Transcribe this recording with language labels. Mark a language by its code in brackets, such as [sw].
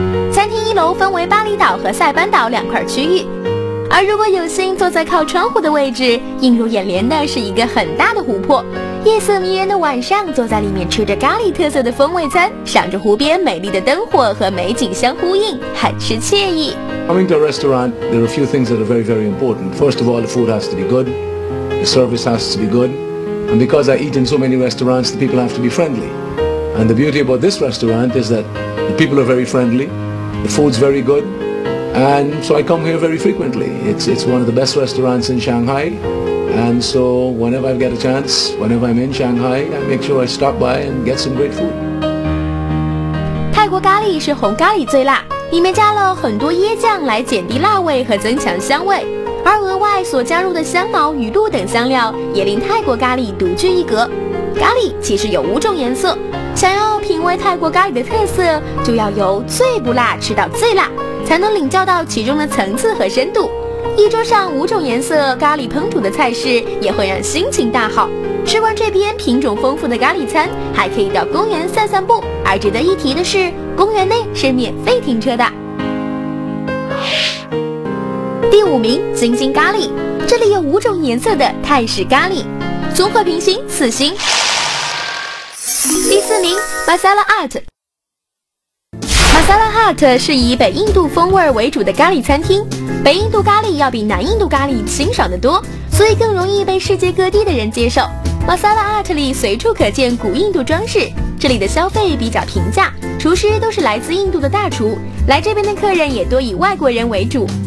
[zh] 餐厅一楼分为巴厘岛和塞班岛两块区域，而如果有幸坐在靠窗户的位置，映入眼帘的是一个很大的湖泊。夜色迷人的晚上，坐在里面吃着咖喱特色的风味餐，赏着湖边美丽的灯火和美景相呼应，很是惬意。 [en] Coming to a restaurant, there are a few things that are very, very important. First of all, the food has to be good, the service has to be good, and because I eat in so many restaurants, the people have to be friendly. And the beauty about this restaurant is that the people are very friendly, the food's very good. And so I come here very frequently. It's one of the best restaurants in Shanghai. And so whenever I get a chance, whenever I'm in Shanghai, I make sure I stop by and get some great food. [zh] 泰国咖喱是红咖喱最辣，里面加了很多椰酱来减低辣味和增强香味，而额外所加入的香茅、鱼露等香料也令泰国咖喱独具一格。咖喱其实有五种颜色，想要品味泰国咖喱的特色，就要由最不辣吃到最辣，才能领教到其中的层次和深度。一桌上五种颜色咖喱烹煮的菜式也会让心情大好。吃完这边品种丰富的咖喱餐，还可以到公园散散步。而值得一提的是，公园内是免费停车的。第五名，金星咖喱，这里有五种颜色的泰式咖喱，综合评星四星。第四名 ，Masala Art。 Masala Hut 是以北印度风味为主的咖喱餐厅，北印度咖喱要比南印度咖喱清爽得多，所以更容易被世界各地的人接受。 Masala Hut 里随处可见古印度装饰，这里的消费比较平价，厨师都是来自印度的大厨，来这边的客人也多以外国人为主。